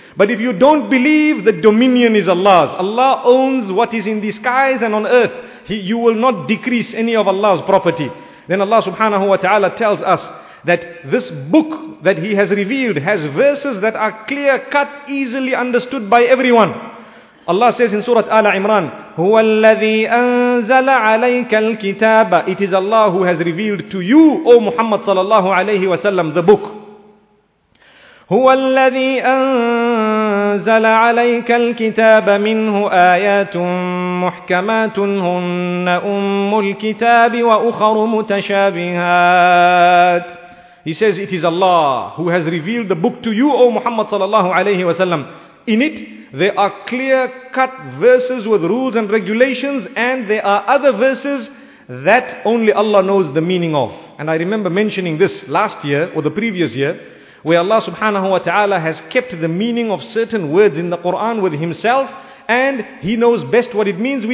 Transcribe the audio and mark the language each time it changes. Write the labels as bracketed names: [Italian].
[English] But if you don't believe, the dominion is Allah's. Allah owns what is in the skies and on earth. You will not decrease any of Allah's property. Then Allah subhanahu wa ta'ala tells us that this book that He has revealed has verses that are clear cut, easily understood by everyone. Allah says in Surah Al Imran, [Arabic] هو الذي أنزل عليك الكتاب. [English] It is Allah who has revealed to you, O Muhammad sallallahu alayhi wa sallam, the book. [Arabic] هو الذي أنزل عليك الكتاب منه آيات محكمات هن أم الكتاب وأخر متشابهات. [English] He says, it is Allah who has revealed the book to you, O Muhammad sallallahu alayhi wa sallam. In it, there are clear-cut verses with rules and regulations, and there are other verses that only Allah knows the meaning of. And I remember mentioning this last year or the previous year, where Allah subhanahu wa ta'ala has kept the meaning of certain words in the Quran with Himself, and He knows best what it means.